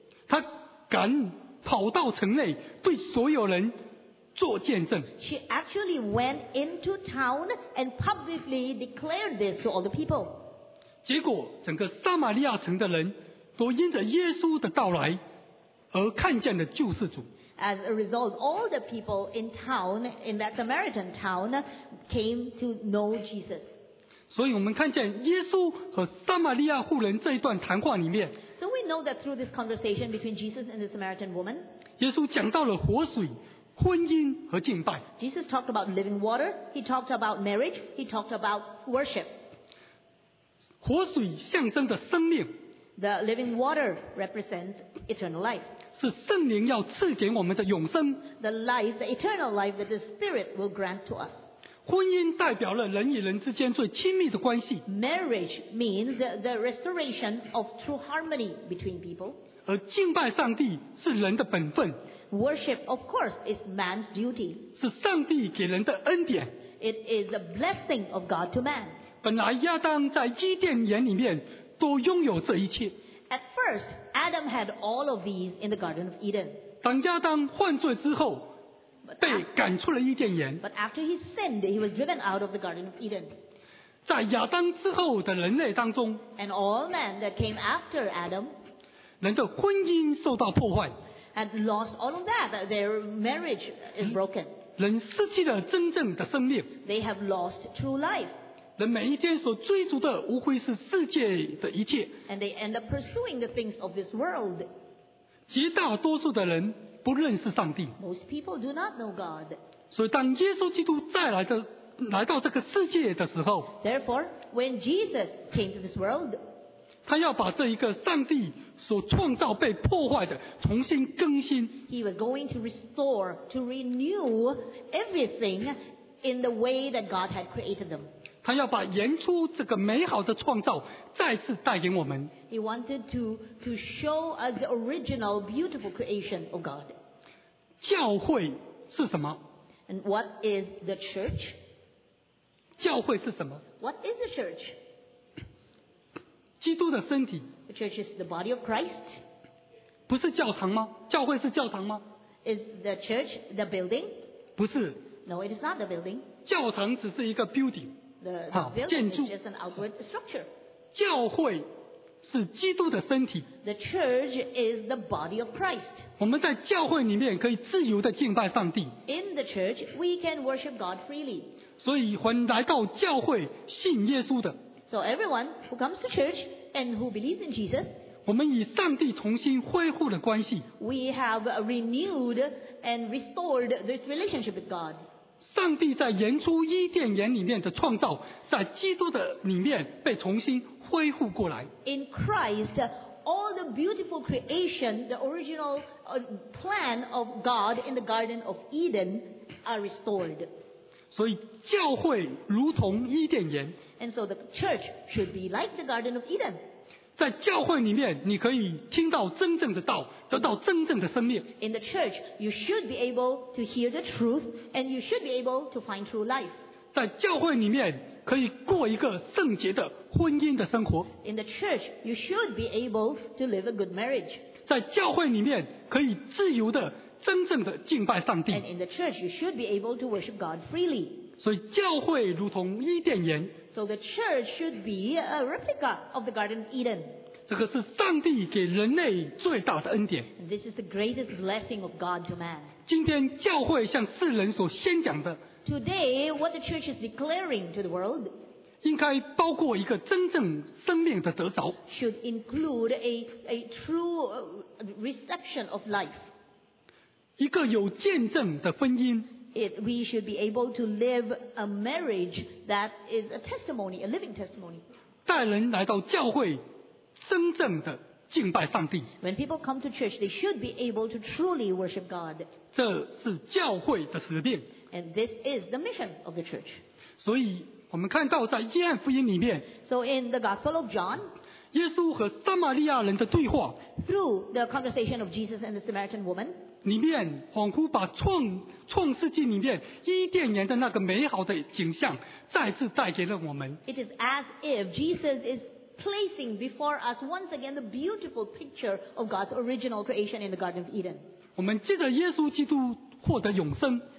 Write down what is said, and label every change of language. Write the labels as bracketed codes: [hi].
[zh] 她敢跑到城内对所有人做见证。 [en] She actually went into town and publicly declared this to all the people. [zh] 结果整个撒玛利亚城的人都因着耶稣的到来而看见了救世主。 [en] As a result, all the people in town, in that Samaritan town, came to know Jesus. [zh] 所以我们看见耶稣和撒玛利亚妇人这一段谈话里面。 [en] So we know that through this conversation between Jesus and the Samaritan woman, [zh] 耶稣讲到了活水婚姻和敬拜。 [en] Jesus talked about living water. He talked about marriage. He talked about worship. [zh] 活水象征的生命。 [en] The living water represents eternal life. [zh] 是圣灵要赐给我们的永生。 [en] The life, the eternal life that the Spirit will grant to us. [zh] 婚姻代表了人与人之间最亲密的关系。 [en] Marriage means the restoration of true harmony between people. [zh] 而敬拜上帝是人的本分。 [en] Worship, of course, is man's duty. [zh] 是上帝给人的恩典。 [en] It is a blessing of God to man. [zh] 本来亚当在伊甸园里面都拥有这一切。 [en] At first, Adam had all of these in the Garden of Eden. [zh] 当亚当犯罪之后，被赶出了伊甸园。 [en] But after he sinned, he was driven out of the Garden of Eden. [zh] 在亚当之后的人类当中， [en] And all men that came after Adam, [zh] 人的婚姻受到破坏。 [en] And lost all of that. Their marriage is broken. [zh] 人失去了真正的生命。 [en] They have lost true life. [zh] 人每一天所追逐的无非是世界的一切。 [en] And they end up pursuing the things of this world. [zh] 绝大多数的人不认识上帝。 [en] Most people do not know God. [zh] 所以当耶稣基督再来的来到这个世界的时候 [en] ，Therefore, when Jesus came to this world, [zh] 他要把这一个上帝所创造被破坏的重新更新。 [en] He was going to restore, to renew everything in the way that God had created them. [zh] 他要把原初这个美好的创造再次带给我们。 [en] He wanted to show us the original beautiful creation of God. [zh] 教会是什么 [en] ？And what is the church? [zh] 教会是什么 [en] ？What is the church？ [zh] 基督的身体。 [en] The church is the body of Christ。 [zh] 不是教堂吗？教会是教堂吗 [en] ？Is the church the building？ [zh] 不是。 [en] No, it is not the building。 [zh] 教堂只是一个 building。 [en] The building is just an outward structure。 [zh] 教会是基督的身体。 [en] The church is the body of Christ。 [zh] 我们在教会里面可以自由的敬拜上帝。 [en] In the church, we can worship God freely。 [zh] 所以魂来到教会信耶稣的 [en] So everyone who comes to church and who believes in Jesus [zh] 我们与上帝重新恢复了关系 [en] We have renewed and restored this relationship with God [zh] 上帝在原初伊甸园里面的创造在基督的里面被重新恢复过来 [en] In Christ all the beautiful creation the original plan of God in the Garden of Eden are restored [zh] 所以教会如同伊甸园。 [en] And so the church should be like the Garden of Eden. [zh] 在教会里面，你可以听到真正的道，得到真正的生命。 [en] In the church, you should be able to hear the truth, and you should be able to find true life. [zh] 在教会里面，可以过一个圣洁的婚姻的生活。 [en] In the church, you should be able to live a good marriage. [zh] 在教会里面，可以自由的。真正的敬拜上帝。 [en] And in the church, you should be able to worship God freely. [zh] 所以教会如同伊甸园。 [en] So the church should be a replica of the Garden of Eden. [zh] 这个是上帝给人类最大的恩典。 [en] And this is the greatest blessing of God to man. [zh] 今天教会向世人所宣讲的。 [en] Today, what the church is declaring to the world. [zh] 应该包括一个真正生命的得着。 [en] Should include a true reception of life. [zh] 一个有见证的婚姻 [en] We should be able to live a marriage that is a testimony, a living testimony. [zh] 带人来到教会，真正的敬拜上帝。 [en] When people come to church, they should be able to truly worship God. [zh] 这是教会的使命。 [en] And this is the mission of the church. [zh] 所以我们看到在约翰福音里面 [en] So in the Gospel of John, [zh] 耶稣和撒玛利亚人的对话 [en] Through the conversation of Jesus and the Samaritan woman, [zh] 里面仿佛把创世纪里面伊甸园的那个美好的景象再次带给了我们。 [en] It is as if Jesus is placing before us once again the beautiful picture of God's original creation in the Garden of Eden. [zh] 我们借着耶稣基督获得永生。